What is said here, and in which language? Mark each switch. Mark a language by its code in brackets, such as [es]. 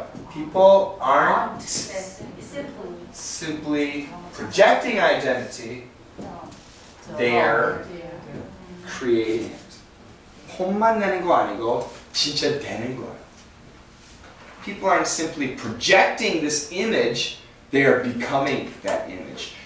[en] People aren't simply projecting identity, they're creating it. [ko] 혼만 내는 거 아니고 진짜 되는 거야. [en] People aren't simply projecting this image, they are becoming that image.